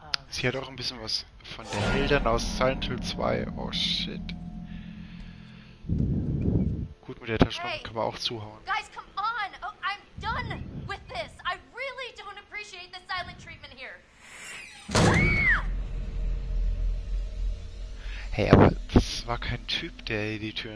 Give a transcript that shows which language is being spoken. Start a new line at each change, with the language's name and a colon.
German: Sie hat auch ein bisschen was von den Bildern aus Silent Hill 2.
English: Oh shit.
German: Gut, mit der Taschenlampe kann man auch zuhauen.
English: Guys, come on! Oh, I'm done with this! I really don't appreciate the silent treatment here.
German: Hey, aber das war kein Typ, der die Türen.